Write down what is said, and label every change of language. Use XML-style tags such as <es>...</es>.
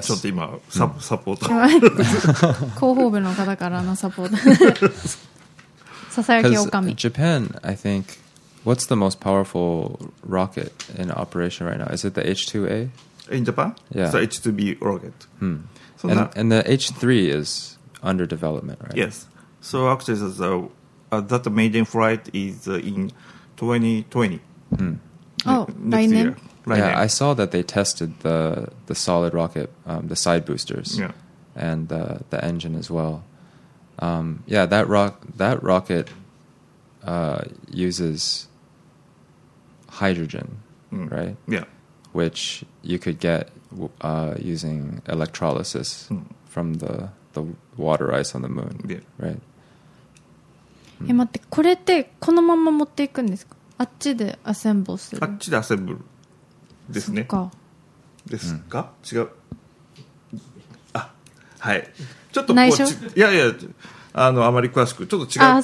<ja>ちょっと今サポーター。広報部の方からのサポーター。ささやきおかみ。</ja> <en>Japan, I think, what's the most powerful rocket in operation right now? Is it the H2A? In Japan? Yeah. So H2B rocket. Hmm. And the H3 is under development, right? Yes. So actually, it's athat maiden flight is in 2020. Mm. Oh, right now? Yeah, I saw that they tested the solid rocket, the side boosters, yeah. And the engine as well. Yeah, that rocket uses hydrogen, right? Yeah. Which you could get using electrolysis from the water ice on the moon, yeah. Right?</en> <ja>え待って、これってこのまま持っていくんですか、あっちでアセンブルする、あっちでアセンブルですね、そっかですか、うん、違う、あはい、ちょっとこう内緒、いやいや、あまり詳しくちょっと違 う,</ja>